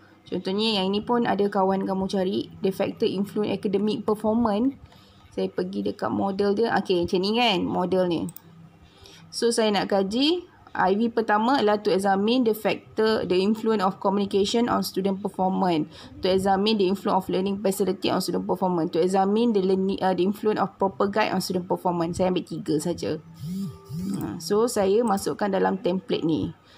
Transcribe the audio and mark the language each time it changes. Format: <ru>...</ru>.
<ms>Contohnya yang ini pun ada kawan kamu cari.</ms> <en>The factor influence academic performance.</en> <ms>Saya pergi dekat model dia. Okay, macam ni kan model ni. So, saya nak kaji. IV pertama adalah</ms> <en>to examine the factor, the influence of communication on student performance. To examine the influence of learning facility on student performance. To examine the learning, the influence of proper guide on student performance.</en> <ms>Saya ambil 3 saja. So, saya masukkan dalam template ni.</ms>